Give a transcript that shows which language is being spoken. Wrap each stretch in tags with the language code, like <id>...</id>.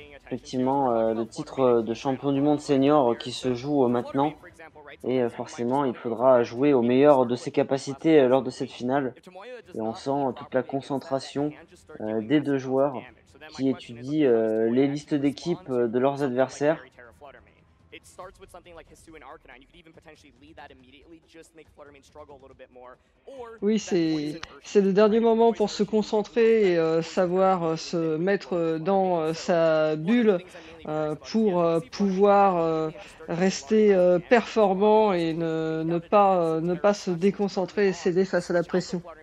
<fr>Effectivement, le titre de champion du monde senior qui se joue maintenant, et forcément il faudra jouer au meilleur de ses capacités lors de cette finale. Et on sent toute la concentration des deux joueurs qui étudient les listes d'équipe de leurs adversaires.</fr> <en>It starts with something like Hisuian Arcanine. You could even potentially lead that immediately, just make Fluttermane struggle a little bit more.</en> <fr>Oui, c'est le dernier moment pour se concentrer et savoir se mettre dans sa bulle pour pouvoir rester performant et ne pas se déconcentrer et céder face à la pression.</fr>